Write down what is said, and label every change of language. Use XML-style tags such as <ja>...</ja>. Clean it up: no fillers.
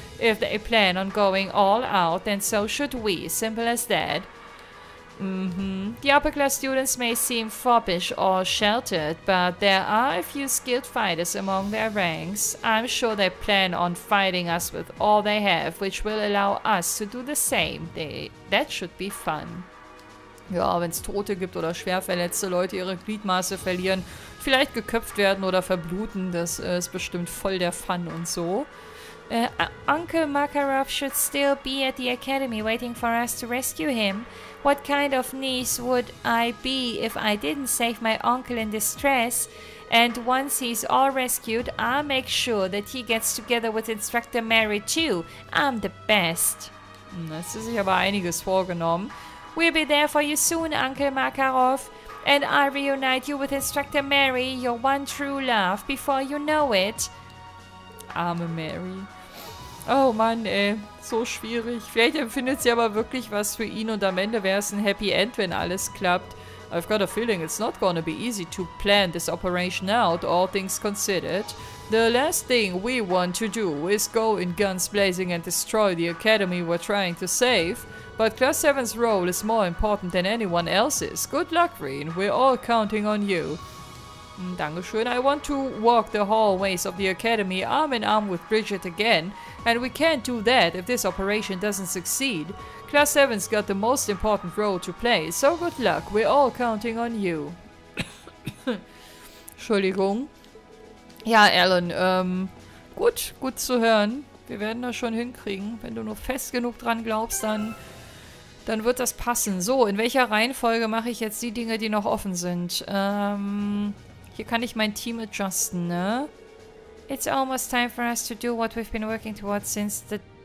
<en>If they plan on going all out, then so should we. Simple as that. The upper-class students may seem foppish or sheltered, but there are a few skilled fighters among their ranks. I'm sure they plan on fighting us with all they have, which will allow us to do the same. That should be fun.</en> <de>Ja, wenn es Tote gibt oder schwer verletzte Leute ihre Gliedmaße verlieren, vielleicht geköpft werden oder verbluten, das ist bestimmt voll der Fun und so.</de> <en>Uncle Makarov should still be at the academy waiting for us to rescue him. What kind of niece would I be if I didn't save my uncle in distress? And once he's all rescued, I'll make sure that he gets together with Instructor Mary too. I'm the best.</en> <de>Das ist sich aber einiges vorgenommen.</de> <en>We'll be there for you soon, Uncle Makarov. And I'll reunite you with Instructor Mary, your one true love, before you know it.</en> <de>Arme Mary. Oh Mann, ey. So schwierig. Vielleicht empfindet sie aber wirklich was für ihn und am Ende wäre es ein Happy End, wenn alles klappt.</de> <en>I've got a feeling it's not gonna be easy to plan this operation out, all things considered. The last thing we want to do is go in guns blazing and destroy the academy we're trying to save. But Class 7's role is more important than anyone else's. Good luck, Rean. We're all counting on you.</en> <de>Dankeschön.</de> <en>I want to walk the hallways of the academy arm in arm with Bridget again, and we can't do that if this operation doesn't succeed. Class 7's got the most important role to play, so good luck, we're all counting on you.</en> <de>Entschuldigung. Ja, Alan, gut zu hören. Wir werden das schon hinkriegen. Wenn du nur fest genug dran glaubst, dann wird das passen. So, in welcher Reihenfolge mache ich jetzt die Dinge, die noch offen sind? Hier kann ich mein Team adjusten, ne?</de> <en>It's almost time for us to do what we've been working towards since the...</en>